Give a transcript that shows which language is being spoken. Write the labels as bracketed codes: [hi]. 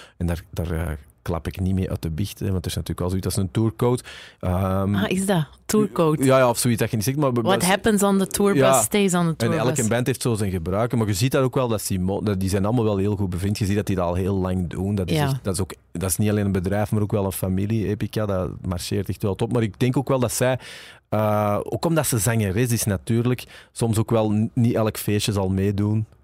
[nl] En daar klap ik niet mee uit de biecht, want er is natuurlijk wel zoiets als een tourcode. Is dat? Tourcode? Ja, of zoiets dat je niet zegt. Maar, [en] What happens on the tour bus, stays on the tour [nl] en [en] bus. [nl] En elke band heeft zo zijn gebruiken, maar je ziet daar ook wel dat die zijn allemaal wel heel goed bevriend. Je ziet dat die dat al heel lang doen. Dat is niet alleen een bedrijf, maar ook wel een familie, Epica. Dat marcheert echt wel top. Maar ik denk ook wel dat zij, ook omdat ze zangeres is natuurlijk, soms ook wel niet elk feestje zal meedoen.